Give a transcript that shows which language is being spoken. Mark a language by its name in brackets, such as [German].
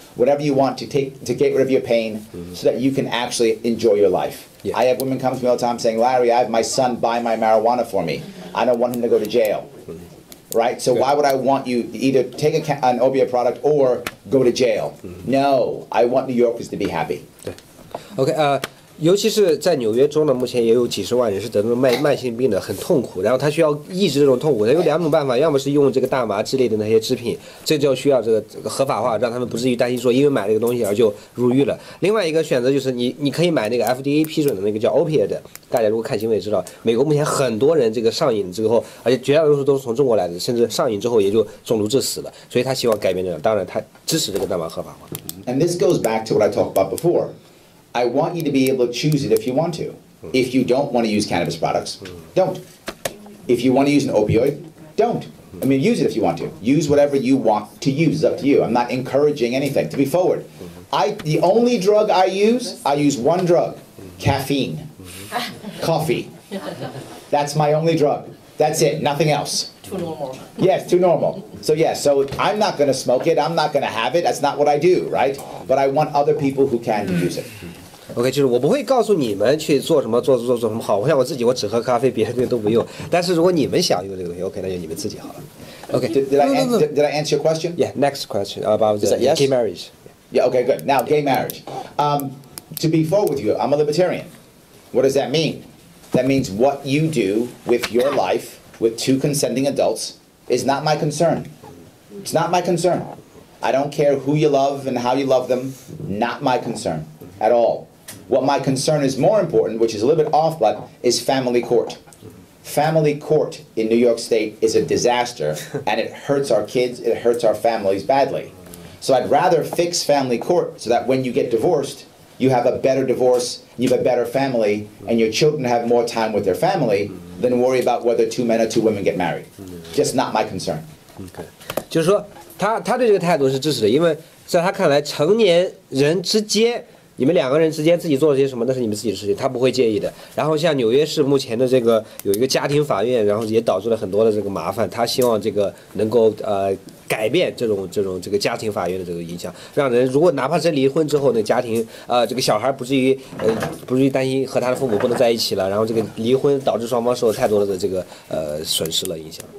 [English] whatever you want to get rid of your pain mm-hmm. so that you can actually enjoy your life. Yeah. I have women come to me all the time saying, Larry, I have my son buy my marijuana for me. I don't want him to go to jail. Right, so why would I want you to either take an opiate product or go to jail? No, I want New Yorkers to be happy. [Chinese] OK, 尤其是在纽约州呢，目前也有几十万人是得了慢性病的，很痛苦，然后他需要抑制这种痛苦，他有两种办法，要么是用这个大麻之类的那些制品，这就需要这个合法化，让他们不至于担心说因为买这个东西而就入狱了。另外一个选择就是你可以买那个 FDA 批准的那个叫 opiate， 大家如果看新闻也知道，美国目前很多人这个上瘾之后，而且绝大多数都是从中国来的，甚至上瘾之后也就中毒致死了，所以他希望改变这个，当然他支持这个大麻合法化。 [English] And this goes back to what I talked about before. I want you to be able to choose it if you want to. If you don't want to use cannabis products, don't. If you want to use an opioid, don't. I mean, use it if you want to. Use whatever you want to use, it's up to you. I'm not encouraging anything, to be forward. The only drug I use one drug, caffeine, coffee. That's my only drug. That's it, nothing else. Too normal. Yes, too normal. So yes, so I'm not going to smoke it, I'm not going to have it, that's not what I do, right? But I want other people who can to use it. [Chinese] OK， 就是我不会告诉你们去做什么，做什么好。我像我自己，我只喝咖啡，别的东西都不用。但是如果你们想用这个东西 ，OK， 那就你们自己好了。 OK， [English] did I answer your question? Yeah, next question about the yes? gay marriage. Yeah, OK, good. Now, gay marriage. To be forward with you, I'm a libertarian. What does that mean? That means what you do with your life with two consenting adults is not my concern. It's not my concern. I don't care who you love and how you love them. Not my concern. At all. What my concern is more important, which is a little bit off, but is family court. Family court in New York State is a disaster, and it hurts our kids, it hurts our families badly. So I'd rather fix family court so that when you get divorced, you have a better divorce, you have a better family, and your children have more time with their family than worry about whether two men or two women get married. Just not my concern. Okay. [Chinese] 就是说他对这个态度是支持的，因为在他看来，成年人之间你们两个人之间自己做了些什么，那是你们自己的事情，他不会介意的。然后像纽约市目前的这个有一个家庭法院，然后也导致了很多的这个麻烦，他希望这个能够改变这种这个家庭法院的这个影响，让人如果哪怕是离婚之后那家庭这个小孩不至于担心和他的父母不能在一起了，然后这个离婚导致双方受太多的这个损失了影响。